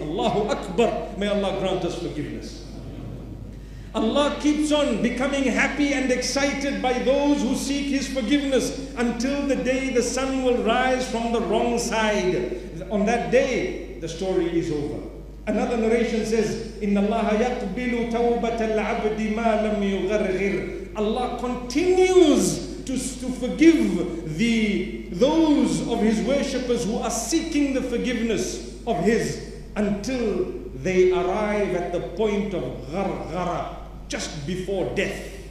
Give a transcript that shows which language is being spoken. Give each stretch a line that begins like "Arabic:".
English: Allahu Akbar. May Allah grant us forgiveness. Allah keeps on becoming happy and excited by those who seek His forgiveness until the day the sun will rise from the wrong side. On that day, the story is over. Another narration says,
Arabic: إِنَّ اللَّهَ يَقْبِلُ تَوْبَةَ الْعَبْدِ مَا لَمْ يُغَرْغِرْ.
English: Allah continues to forgive those of His worshippers who are seeking the forgiveness of His until they arrive at the point of غَرْغَرَ, just before death.